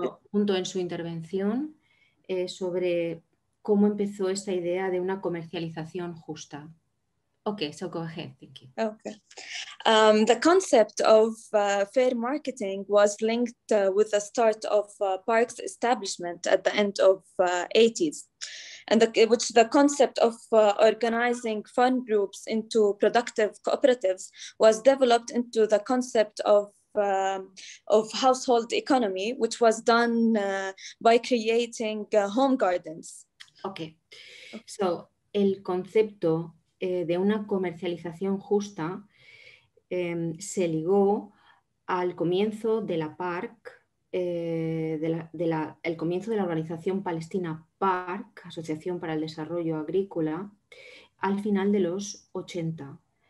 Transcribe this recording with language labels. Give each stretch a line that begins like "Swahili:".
Spanish: Punto en su intervención sobre cómo empezó esta idea de una comercialización justa.
English: Okay, so go ahead. Thank you. Okay. The concept of fair marketing was linked with the start of Parks establishment at the end of the 80s, and which the concept of organizing farm groups into productive cooperatives was developed into the concept of household economy, which was done by creating home gardens. Okay.
Spanish: So, el concepto de una comercialización justa se ligó al comienzo de la PARC, el comienzo de la organización palestina PARC, Asociación para el Desarrollo Agrícola, al final de los 80.